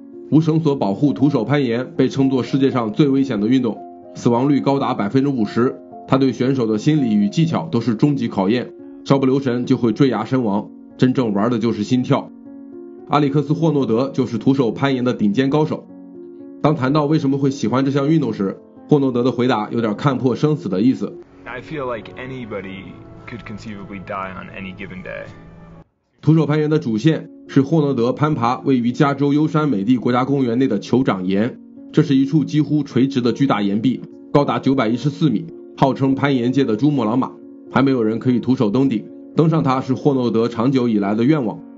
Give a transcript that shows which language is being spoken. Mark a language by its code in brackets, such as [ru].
[zh] 无绳索保护徒手攀岩被称作世界上最危险的运动，死亡率高达50%，它对选手的心理与技巧都是终极考验，稍不留神就会坠崖身亡，真正玩的就是心跳。阿里克斯·霍诺德就是徒手攀岩的顶尖高手。当谈到为什么会喜欢这项运动时，霍诺德的回答有点看破生死的意思。 [en] I feel like anybody could conceivably die on any given day. [zh] 徒手攀岩的主线是霍诺德攀爬位于加州优山美地国家公园内的酋长岩，这是一处几乎垂直的巨大岩壁，高达914米，号称攀岩界的珠穆朗玛，还没有人可以徒手登顶，登上它是霍诺德长久以来的愿望。